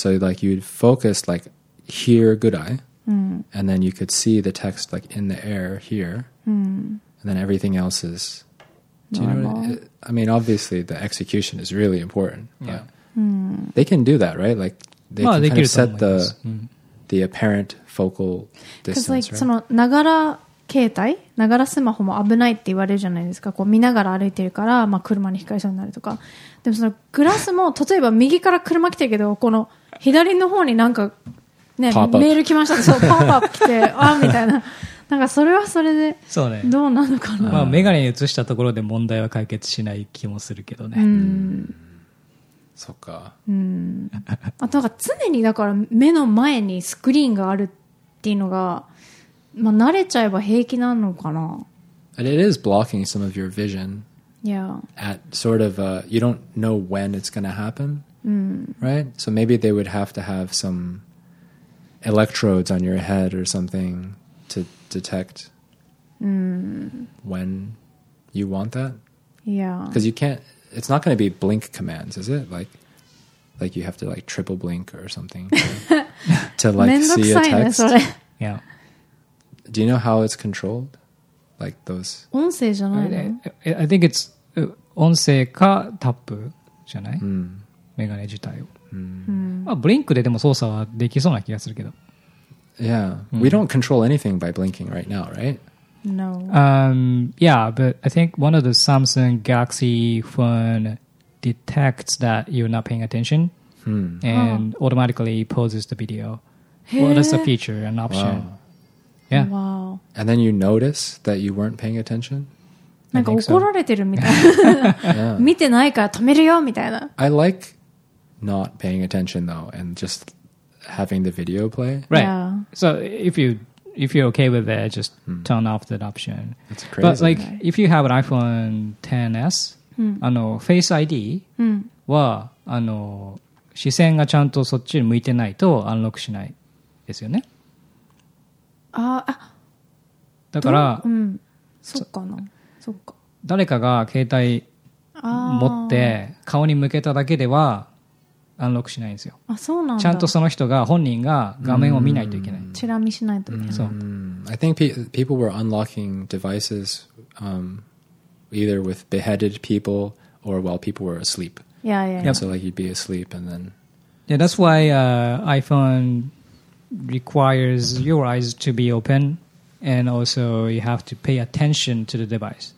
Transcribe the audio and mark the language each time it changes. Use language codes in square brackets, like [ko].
[en] So like you'd focus like here, good eye, and then you could see the text like in the air here, and then everything else is... Do you know what it, I mean, obviously, the execution is really important. Yeah, they can do that, right? Like they can kind of set the apparent focal distance. Because like, [ja] そのながら携帯、ながらスマホも危ないって言われるじゃないですか。こう見ながら歩いてるから、まあ車にひかれそうになるとか。でもそのグラスも例えば右から車来てるけど、この左の方になんかね、メール来ました。そう、パパ来て、あみたいな。なんかそれはそれでそう、ね、どうなのかな。まあメガネに映したところで問題は解決しない気もするけどね。そっか。あとなんか常にだから目の前にスクリーンがあるっていうのが、まあ慣れちゃえば平気なのかな。 [en] And it is blocking some of your vision. Yeah. At sort of you don't know when it's going to happen. Right. So maybe they would have to have some electrodes on your head or something to detect when you want that. Yeah. Because you can't, it's not going to be blink commands, is it? Like you have to like triple blink or something to like see a text. Yeah. Do you know how it's controlled? Like those. [ja] 音声じゃないの? [en] I think it's [ja] 音声かタップじゃない?メガネ自体を。まあ、ブリンクででも操作はできそうな気がするけど。 [en] Yeah. We don't control anything by blinking right now, right? No. Yeah, but I think one of the Samsung Galaxy phone detects that you're not paying attention and automatically pauses the video. Well, that's a feature, an option. Wow. Yeah. Wow. And then you notice that you weren't paying attention? [ja] なんか怒られてるみたいな。 [en] yeah. [ja] 見てないから止めるよみたいな。 [en] I like not paying attention though and just having the video play. Right. Yeah. So if you're okay with it, just turn off that option. That's crazy. But like if you have an iPhone XS, [ja] Face ID は視線がちゃんとそっちに向いてないとアンロックしないですよね。だから、そっかな、そっか。誰かが携帯持って顔に向けただけではアンロックしないんですよ。あ、そうなんだ。ちゃんとその人が本人が画面を見ないといけない。チラ見しないといけない。そう。 [en] I think people were unlocking devices either with beheaded people or while people were asleep. Yeah. So like you'd be asleep and then. Yeah, that's why iPhone requires your eyes to be open and also you have to pay attention to the device.